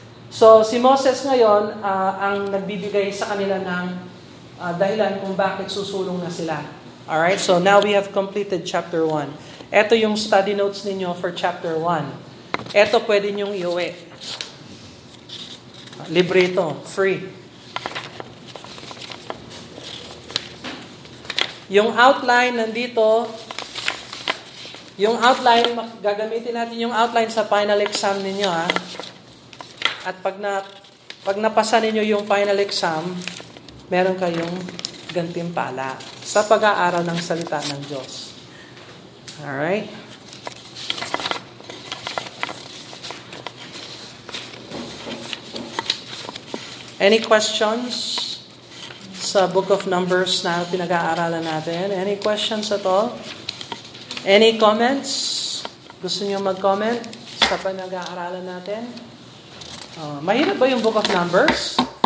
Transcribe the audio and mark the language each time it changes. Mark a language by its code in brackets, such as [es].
[tl] So si Moses ngayon, ang nagbibigay sa kanila ng dahilan kung bakit susulong na sila. [en] Alright, so now we have completed chapter 1. [tl] Ito yung study notes ninyo for chapter 1. Ito pwede nyong iuwi. Libre ito, free. Yung outline nandito, yung outline, gagamitin natin yung outline sa final exam ninyo. Ha? At pag napasa ninyo yung final exam, meron kayong gantimpala sa pag-aaral ng salita ng Diyos. Alright? [en] Any questions [tl] sa Book of Numbers na pinag-aaralan natin? [en] Any questions at all? Any comments? [tl] Gusto niyo mag-comment sa pinag-aaralan natin? Mahirap ba yung Book of Numbers?